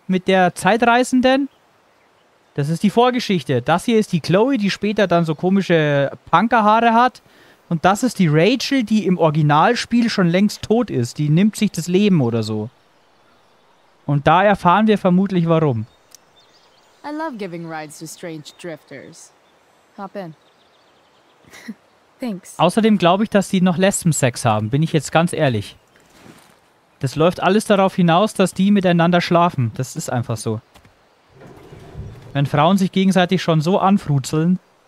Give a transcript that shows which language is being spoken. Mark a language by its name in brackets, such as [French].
[German] Mit der Zeitreisenden? Das ist die Vorgeschichte. Das hier ist die Chloe, die später dann so komische Punkerhaare hat. Und das ist die Rachel, die im Originalspiel schon längst tot ist. Die nimmt sich das Leben oder so. Und da erfahren wir vermutlich warum. [English] I love giving rides to strange drifters. Hop in. Thanks. [German] Außerdem glaube ich, dass die noch Lesbensex haben, bin ich jetzt ganz ehrlich. Das läuft alles darauf hinaus, dass die miteinander schlafen. Das ist einfach so. Wenn Frauen sich gegenseitig schon so anfruzeln.